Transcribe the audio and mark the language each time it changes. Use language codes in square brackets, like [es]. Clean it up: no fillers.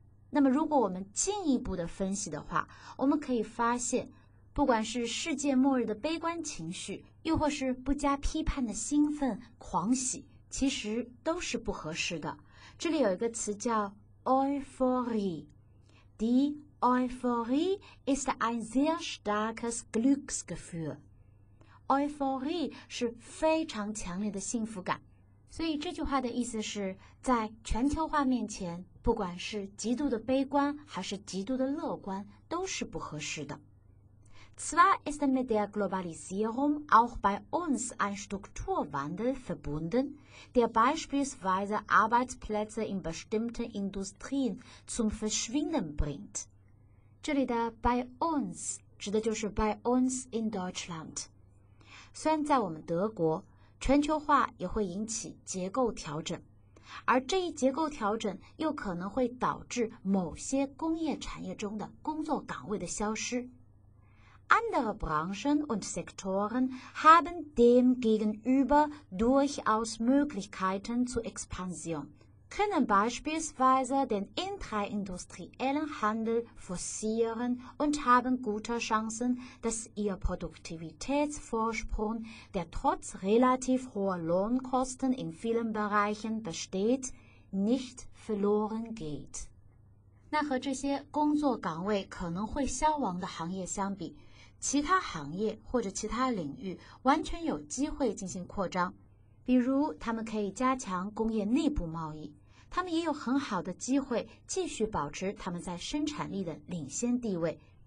[zh] 那么如果我们进一步的分析的话，我们可以发现，不管是世界末日的悲观情绪，又或是不加批判的兴奋狂喜，其实都是不合适的。这里有一个词叫 [de] euphorie， Euphorie ist ein sehr starkes Glücksgefühl. [zh] Euphorie 是非常强烈的幸福感。所以这句话的意思是，在全球化面前，不管是极度的悲观还是极度的乐观，都是不合适的。 [de] Zwar ist mit der Globalisierung auch bei uns ein Strukturwandel verbunden, der beispielsweise Arbeitsplätze in bestimmten Industrien zum Verschwinden bringt. [zh] 这里的 by uns 指的就是 [de] by uns in Deutschland。 [zh] 虽然在我们德国，全球化也会引起结构调整，而这一结构调整又可能会导致某些工业产业中的工作岗位的消失。 [de] Andere Branchen und Sektoren haben demgegenüber durchaus Möglichkeiten zur Expansion. können beispielsweise den intraindustriellen Handel forcieren und haben gute Chancen, dass ihr Produktivitätsvorsprung, der trotz relativ hoher Lohnkosten in vielen Bereichen besteht, nicht verloren geht. [zh] 那和这些工作岗位可能会消亡的行业相比，其他行业或者其他领域完全有机会进行扩张，比如他们可以加强工业内部贸易，他们也有很好的机会继续保持他们在生产力的领先地位。